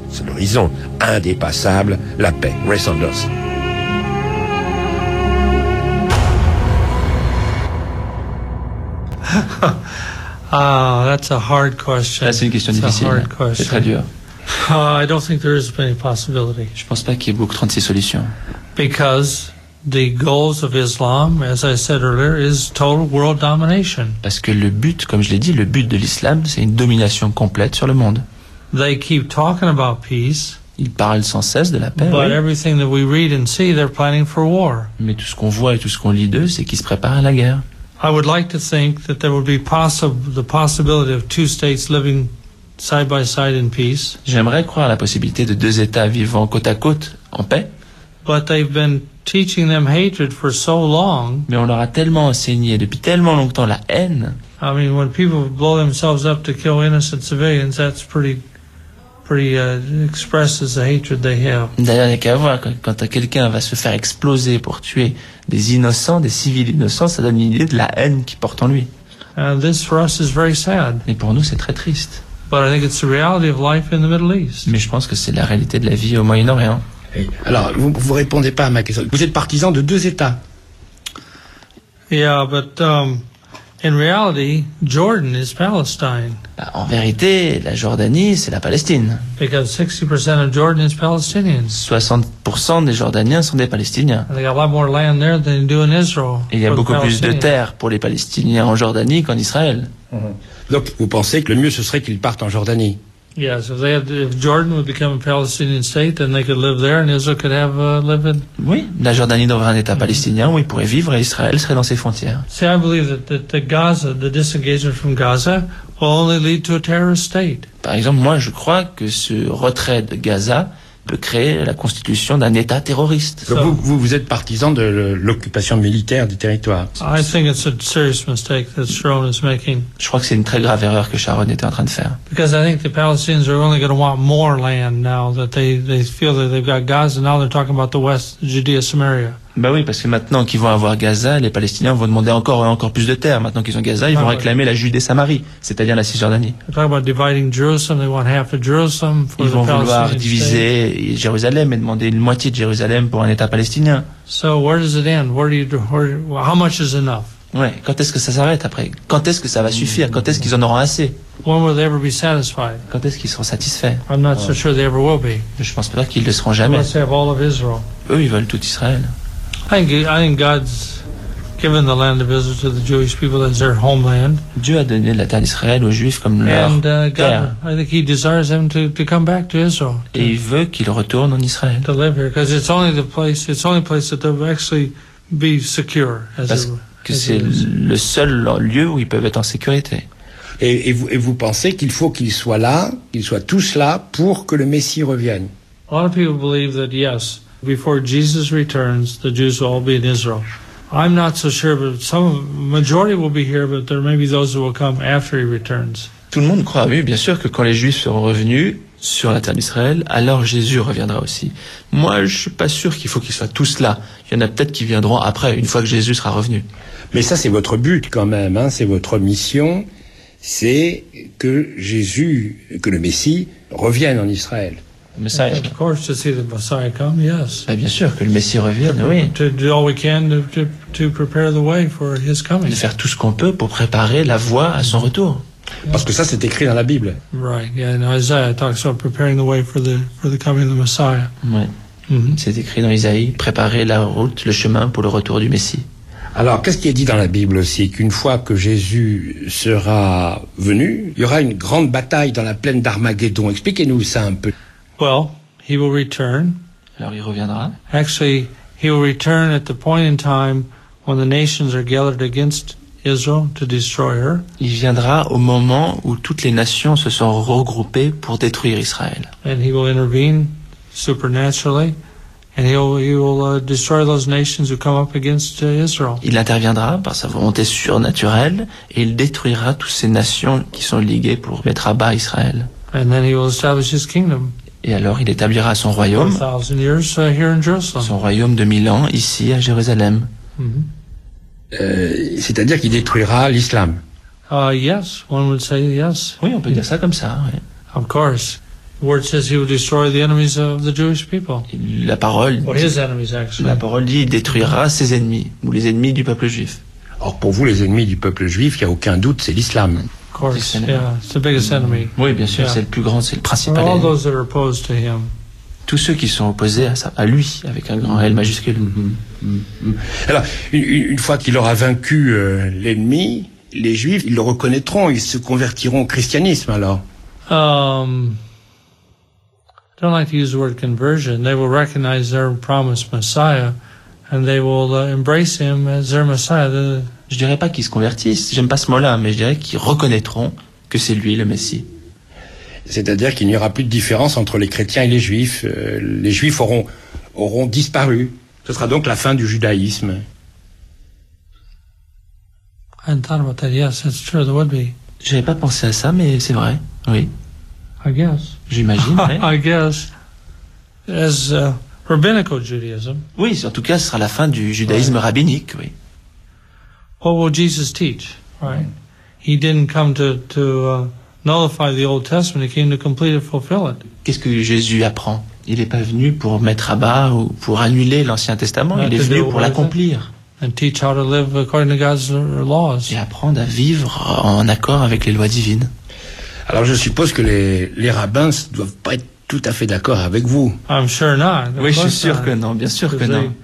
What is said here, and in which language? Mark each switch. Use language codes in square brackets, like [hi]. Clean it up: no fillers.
[fr] C'est l'horizon indépassable, la paix. Ray Sanders. [en] Oh, that's a hard question. [fr] Là, c'est une question difficile. C'est très dur. [en] I don't think there is any possibility. [fr] Je pense pas qu'il y ait beaucoup 36 solutions. [en] Because the goals of Islam, as I said earlier, is total world domination. [fr] Parce que le but, comme je l'ai dit, le but de l'islam, c'est une domination complète sur le monde. [en] They keep talking about peace. [fr] Ils parlent sans cesse de la paix. [en] But [fr] oui. [en] Everything that we read and see, they're planning for war. [fr] Mais tout ce qu'on voit et tout ce qu'on lit d'eux, c'est qu'ils se préparent à la guerre. [en] I would like to think that there would be the possibility of two states living side by side in peace. [fr] J'aimerais croire à la possibilité de deux États vivant côte à côte en paix. [en] But they've been teaching them hatred for so long. [fr] Mais on leur a tellement enseigné depuis tellement longtemps la haine. [en] I mean, when people blow themselves up to kill innocent civilians, that's pretty expresses the hatred they have. [fr] D'ailleurs, il n'y a qu'à voir, quand quelqu'un va se faire exploser pour tuer des innocents, des civils innocents, ça donne une idée de la haine qu'il porte en lui. [en] And this for us is very sad. [fr] Et pour nous, c'est très triste. [en] But I think it's the reality of life in the Middle East. [fr] Mais je pense que c'est la réalité de la vie au Moyen-Orient. Alors, vous ne répondez pas à ma question. Vous êtes partisan de deux États. [en] Yeah, but in reality, Jordan is Palestine. [fr] Bah, en vérité, la Jordanie, c'est la Palestine. [en] Because 60% of Jordan is Palestinians. [fr] 60% des Jordaniens sont des Palestiniens. [en] And they got a lot more land there than they do in Israel. [fr] Et il y a beaucoup plus de terres pour les Palestiniens en Jordanie qu'en Israël. Mm-hmm. Donc, vous pensez que le mieux, ce serait qu'ils partent en Jordanie? [en] Yes, if Jordan would become a Palestinian state, then they could live there, and Israel could have live in. [fr] Oui, la Jordanie deviendrait un État palestinien où ils pourraient vivre, et Israël serait dans ses frontières. [en] See, I believe that the Gaza, the disengagement from Gaza, will only lead to a terrorist state. [fr] Par exemple, moi, je crois que ce retrait de Gaza peut créer la constitution d'un État terroriste. So, vous êtes partisan de l'occupation militaire du territoire. [en] I think it's a serious mistake that Sharon is making. [fr] Je crois que c'est une très grave erreur que Sharon était en train de faire. [en] Because I think the Palestinians are only going to want more land now that they feel that they've got Gaza and now they're talking about the West Judea Samaria. [fr] Ben oui, parce que maintenant qu'ils vont avoir Gaza, les Palestiniens vont demander encore et encore plus de terres. Maintenant qu'ils ont Gaza, ils vont réclamer la Judée-Samarie, c'est-à-dire la Cisjordanie. Ils vont vouloir diviser Jérusalem et demander une moitié de Jérusalem pour un État palestinien. [en] So where does it end? How much is enough? [fr] Ouais. Quand est-ce que ça s'arrête après? Quand est-ce que ça va suffire? Quand est-ce qu'ils en auront assez? [en] When will they ever be satisfied? [fr] Quand est-ce qu'ils seront satisfaits? [en] I'm not so sure they ever will be. [fr] Je pense pas qu'ils le seront jamais. [en] Unless they have all of Israel. [fr] Eux, ils veulent tout Israël. [en] I think God's given the land of Israel to the Jewish people as their homeland. [fr] Dieu a donné la terre d'Israël aux Juifs comme leur terre. [en] I think He desires them to come back to Israel. [fr] Et il veut qu'ils retournent en Israël. [en] To live here, because it's only place that they'll actually be secure. [fr] Le seul lieu où ils peuvent être en sécurité. Et vous pensez qu'il faut qu'ils soient là, qu'ils soient tous là pour que le Messie revienne? [en] A lot of people believe that yes. Before Jesus returns, the Jews will all be in Israel. I'm not so sure, but majority will be here, but there may be those who will come after he returns. [fr] Tout le monde croit, oui, bien sûr, que quand les Juifs seront revenus sur la terre d'Israël, alors Jésus reviendra aussi. Moi, je suis pas sûr qu'il faut qu'ils soient tous là. Il y en a peut-être qui viendront après, une fois que Jésus sera revenu. Mais ça, c'est votre but quand même, hein, c'est votre mission. c'est que Jésus, que le Messie, revienne en Israël. Le Messie. [en] Of course, to see the Messiah come, yes. [fr] Ben bien sûr, que le Messie revienne, oui. [en] To do all we can to prepare the way for his coming. [fr] De faire tout ce qu'on peut pour préparer la voie à son retour. Parce que ça, c'est écrit dans la Bible. [en] Right, yeah, and Isaiah talks about preparing the way for the coming of the Messiah. [fr] Ouais. Mm-hmm. C'est écrit dans Isaïe, préparer la route, le chemin pour le retour du Messie. Alors, qu'est-ce qui est dit dans la Bible aussi? Qu'une fois que Jésus sera venu, il y aura une grande bataille dans la plaine d'Armageddon. Expliquez-nous ça un peu. [en] Well, he will return. [fr] Alors, il reviendra. [en] Actually, he will return at the point in time when the nations are gathered against Israel to destroy her. [fr] Il viendra au moment où toutes les nations se sont regroupées pour détruire Israël. [en] And he will intervene supernaturally. And he will destroy those nations who come up against Israel. [fr] Il interviendra par sa volonté surnaturelle et il détruira toutes ces nations qui sont liguées pour mettre à bas Israël. [en] And then he will establish his kingdom. [fr] Et alors il établira son royaume. [en] 1000 years here in Jerusalem. [fr] Son royaume de 1000 ans ici à Jérusalem. Mm-hmm. C'est-à-dire qu'il détruira l'islam. [en] Yes, one would say yes. [fr] Oui, on peut dire ça comme ça. Oui. [en] Of course. The word says he will destroy the enemies of the Jewish people. [fr] La parole. [en] Or his enemies, actually. [fr] La parole dit il détruira ses ennemis ou les ennemis du peuple juif. Or pour vous les ennemis du peuple juif, il n'y a aucun doute, c'est l'islam. [en] Of course, yeah, it's the biggest enemy. [fr] Oui, bien sûr, c'est le plus grand, c'est le principal. [en] All those that are opposed to him. [fr] Tous ceux qui sont opposés à lui, avec un grand L majuscule. Mm-hmm. Mm-hmm. Alors une fois qu'il aura vaincu l'ennemi, les Juifs, ils le reconnaîtront, ils se convertiront au christianisme alors. [en] I don't like to use the word conversion. They will recognize their promised Messiah, and they will embrace him as their Messiah. [fr] Je dirais pas qu'ils se convertissent. J'aime pas ce mot-là, mais je dirais qu'ils reconnaîtront que c'est lui le Messie. C'est-à-dire qu'il n'y aura plus de différence entre les chrétiens et les juifs. Les juifs auront disparu. Ce sera donc la fin du judaïsme. [en] I hadn't thought about that. Yes, that's true. There would be. [fr] J'avais pas pensé à ça, mais c'est vrai. Oui. [en] I guess. [fr] J'imagine. [en] I guess, as rabbinical Judaism. [fr] Oui, en tout cas, ce sera la fin du judaïsme rabbinique, oui. [en] What will Jesus teach? Right. He didn't come to nullify the Old Testament. He came to complete it, fulfill it. [fr] Qu'est-ce que Jésus apprend? Il n'est pas venu pour mettre à bas ou pour annuler l'Ancien Testament. Not il est venu pour l'accomplir. [en] And teach how to live according to God's laws. [fr] Et apprendre à vivre en accord avec les lois divines. Alors je suppose que les rabbins ne doivent pas être tout à fait d'accord avec vous. [en] I'm sure not. [fr] Oui, je suis sûr que non, bien sûr que non.